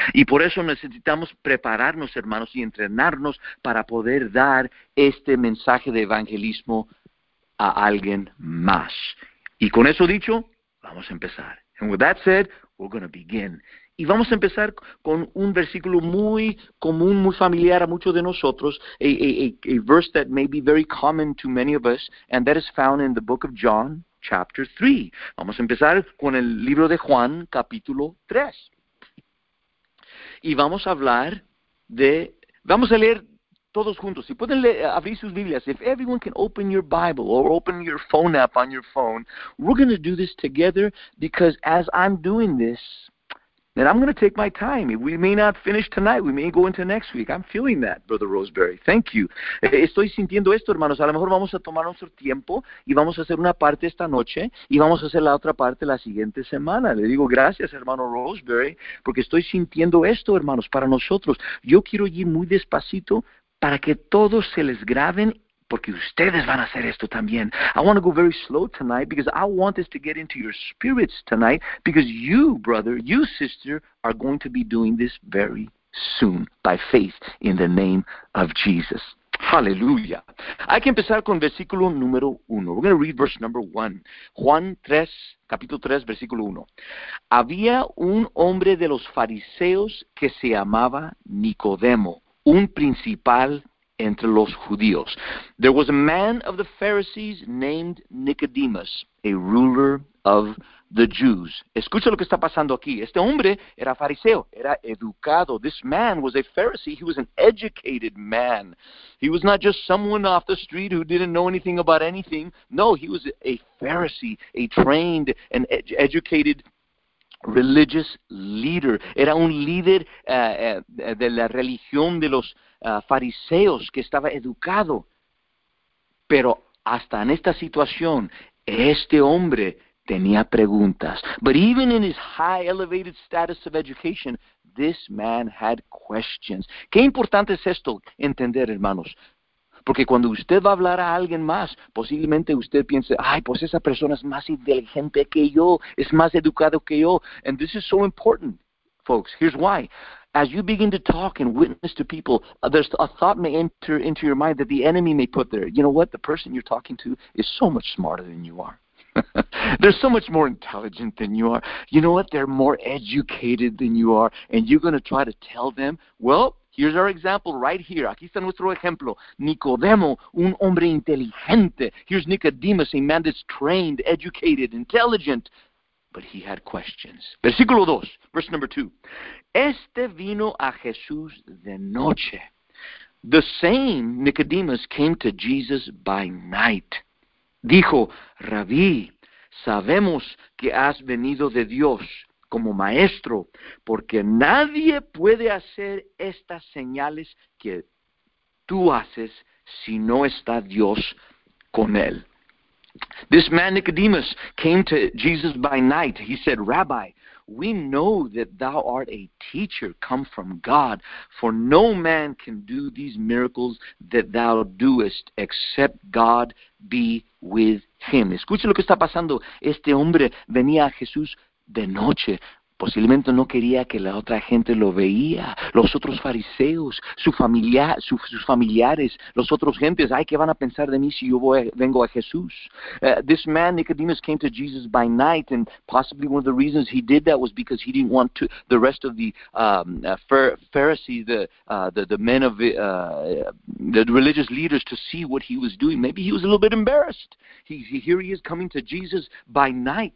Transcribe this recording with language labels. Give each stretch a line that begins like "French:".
Spanish: Y por eso necesitamos prepararnos, hermanos, y entrenarnos para poder dar este mensaje de evangelismo a alguien más. Y con eso dicho, vamos a empezar.
English: And with that said, we're going to begin.
Spanish: Y vamos a empezar con un versículo muy común, muy familiar a muchos de nosotros,
English: a verse that may be very common to many of us, and that is found in the book of John, chapter 3.
Spanish: Vamos a empezar con el libro de Juan, capítulo 3. Y vamos a hablar de, vamos a leer todos juntos. Si pueden abrir sus Biblias,
English: if everyone can open your Bible or open your phone app on your phone, we're going to do this together, because as I'm doing this, then I'm going to take my time. We may not finish tonight. We may go into next week. I'm feeling that, Brother Roseberry. Thank you.
Spanish: Estoy sintiendo esto, hermanos. A lo mejor vamos a tomar nuestro tiempo y vamos a hacer una parte esta noche y vamos a hacer la otra parte la siguiente semana. Le digo gracias, hermano Roseberry, porque estoy sintiendo esto, hermanos, para nosotros. Yo quiero ir muy despacito para que todos se les graben, porque ustedes van a hacer esto también.
English: I want to go very slow tonight, because I want this to get into your spirits tonight, because you, brother, you, sister, are going to be doing this very soon, by faith, in the name of Jesus.
Spanish: Aleluya. Hay que empezar con versículo número 1.
English: We're going to read verse number 1.
Spanish: Juan 3, capítulo 3, versículo 1. Había un hombre de los fariseos que se llamaba Nicodemo, un principal entre los judíos.
English: There was a man of the Pharisees named Nicodemus, a ruler of the Jews.
Spanish: Escucha lo que está pasando aquí. Este hombre era fariseo, era educado.
English: This man was a Pharisee. He was an educated man. He was not just someone off the street who didn't know anything about anything. No, he was a Pharisee, a trained and educated religious leader.
Spanish: Era un líder de la religión de los fariseos, que estaba educado. Pero hasta en esta situación, este hombre tenía preguntas.
English: But even in his high elevated status of education, this man had questions.
Spanish: ¿Qué importante es esto entender, hermanos? Porque cuando usted va a hablar a alguien más, posiblemente usted piense, ay, pues esa persona es más inteligente que yo, es más educado que yo.
English: And this is so important, folks. Here's why. As you begin to talk and witness to people, there's a thought may enter into your mind that the enemy may put there. You know what? The person you're talking to is so much smarter than you are. They're so much more intelligent than you are. You know what? They're more educated than you are. And you're going to try to tell them, well, here's our example right here.
Spanish: Aquí está nuestro ejemplo. Nicodemo, un hombre inteligente.
English: Here's Nicodemus, a man that's trained, educated, intelligent. But he had questions.
Spanish: Versículo 2,
English: verse number 2.
Spanish: Este vino a Jesús de noche.
English: The same Nicodemus came to Jesus by night.
Spanish: Dijo, Rabí, sabemos que has venido de Dios como maestro, porque nadie puede hacer estas señales que tú haces si no está Dios con él.
English: This man Nicodemus came to Jesus by night. He said, Rabbi, we know that thou art a teacher come from God, for no man can do these miracles that thou doest except God be with him.
Spanish: Escuche lo que está pasando. Este hombre venía a Jesús de noche. Posiblemente no quería que la otra gente lo veía. Los otros fariseos, sus familiares, los otros gentes. Ay, ¿qué van a pensar de mí si yo vengo a Jesús?
English: This man, Nicodemus, came to Jesus by night. And possibly one of the reasons he did that was because he didn't want to, the rest of the Pharisees, the religious leaders, to see what he was doing. Maybe he was a little bit embarrassed. Here he is coming to Jesus by night.